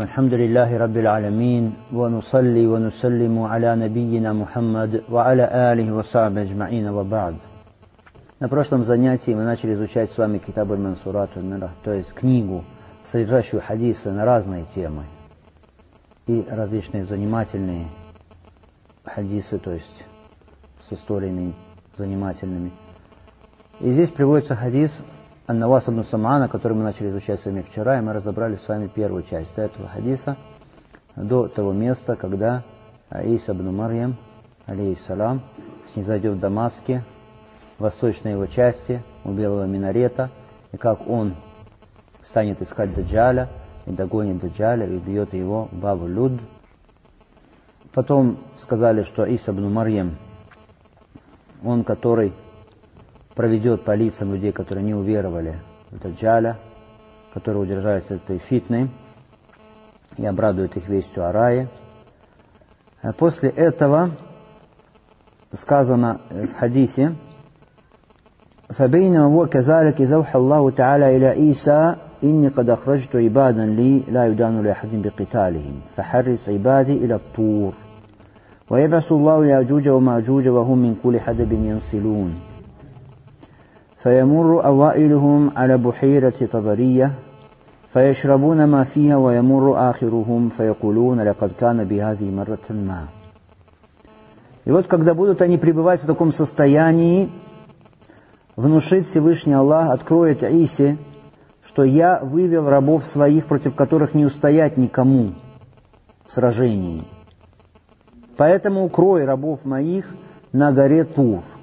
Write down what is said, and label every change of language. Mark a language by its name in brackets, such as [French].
[Arabic] الحمد لله رب العالمين، ونصلي ونسلم على نبينا محمد وعلى آله وصحبه أجمعين، وبعد. [Russian] На прошлом занятии мы начали изучать с вами Китаб аль-Мансурат аль-Мирах, то есть книгу, содержащую хадисы на разные темы и различные занимательные хадисы, то есть с историями занимательными. И здесь приводится хадис Ан-Навас ибн Самана, который мы начали изучать с вами вчера, и мы разобрали с вами первую часть этого хадиса до того места, когда Иса ибн Марьям, алейхиссалам, снизойдет в Дамаске, в восточной его части, у Белого Минарета, и как он станет искать Даджаля, и догонит Даджаля, и убьет его Баб-Люд. Потом сказали, что Иса ибн Марьям, он, который проведет по лицам людей, которые не уверовали в Даджаля, которые удержались от этой фитны, и обрадует их вестью о рае. После этого сказано в хадисе: [Arabic] فبينما هو كذلك زوح الله تعالى إلى عيسى إني قد أخرجت عبادا لي لا يدان لأحد بقتالهم فحرص عبادي إلى الطور ويبعث الله ياجوج وماجوج وهم من كل حدب ينسلون فيمر أوائلهم على بحيرة طبرية فيشربون ما فيها ويمر آخرهم فيقولون لقد كان بهذه مرة ما. [Russian] И вот когда будут они пребывать в таком состоянии, внушит Всевышний Аллах, откроет Исе, что я вывел рабов своих, против которых не устоять никому в сражении. Поэтому укрой рабов моих на горе Тур.